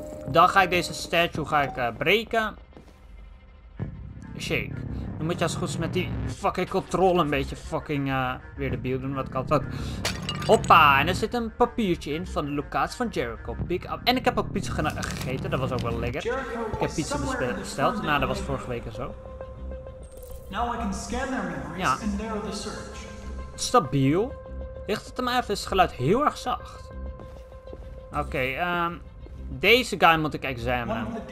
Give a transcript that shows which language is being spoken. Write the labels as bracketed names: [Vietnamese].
[Dutch] Dan ga ik deze statue breken. Shake. Dan moet je als goed met die fucking controle een beetje fucking weer de beeld doen. Wat kan dat? Hoppa. En er zit een papiertje in van de locatie van Jericho. [English] Pick up. [Dutch] En ik heb ook pizza gegeten. Dat was ook wel lekker. Ik heb pizza besteld. Nou, dat was vorige week en zo. [English] Now I can scan their memories and narrow the search. [Dutch] Stabiel. Ligt het hem even? Is het geluid heel erg zacht? Oké, deze guy moet ik examinen.